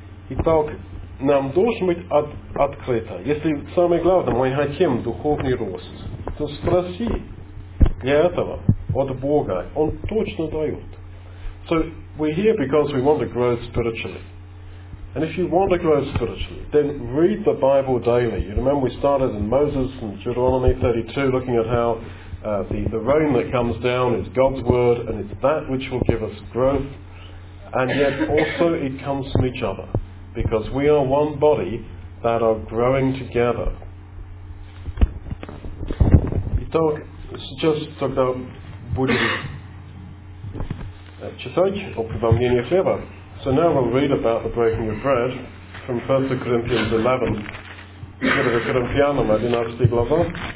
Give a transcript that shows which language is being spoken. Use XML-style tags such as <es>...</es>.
<ru>Итак, нам должен быть открыто. Если самое главное, мы хотим духовный рост, то спроси для этого от Бога. Он точно дает.</ru> <en>So, we're here because we want to grow spiritually. And if you want to grow spiritually, then read the Bible daily. You remember we started in Moses and Deuteronomy 32, looking at how the rain that comes down is God's word, and it's that which will give us growth. And yet also it comes from each other, because we are one body that are growing together.</en> <ru>Итак, сейчас тогда будем читать о преломлении хлеба.</ru> <en>So now we'll read about the breaking of bread from 1 Corinthians 11.</en> <ru>Первое Коринфянам 11 глава.</ru>